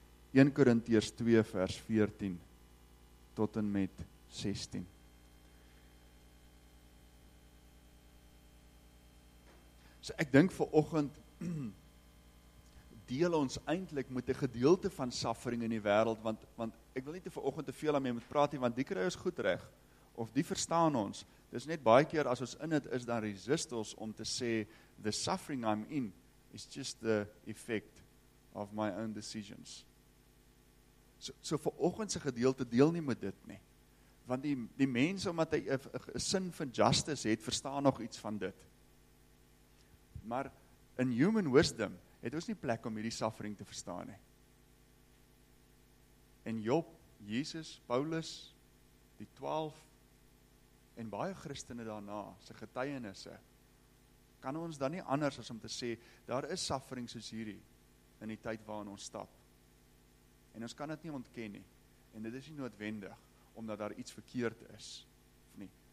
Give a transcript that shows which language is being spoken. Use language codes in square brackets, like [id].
[af] 1 Korintiërs 2 vers 14 tot en met 16. So ek dink vanoggend deel ons eintlik met 'n gedeelte van suffering in die wêreld want ek wil nie te vanoggend te veel aan mee moet praat nie want die kry ons goed reg of die verstaan ons. Dis net baie keer as ons in dit is dan resist ons om te sê [en] the suffering I'm in is just the effect of my own decisions. [af] So vanoggend se gedeelte deel nie met dit nie. Want die mense omdat hy 'n sin van justice het, verstaan nog iets van dit. Maar in [en] human wisdom [af] het ons nie plek om hierdie suffering te verstaan nie. En Job, Jesus, Paulus, die 12 en baie Christene daarna se getuienisse kan ons dan nie anders as om te sê daar is suffering soos hierdie in die tyd waarin ons stap. En ons kan dit nie ontken nie. En dit is nie noodwendig omdat daar iets verkeerd is of nie.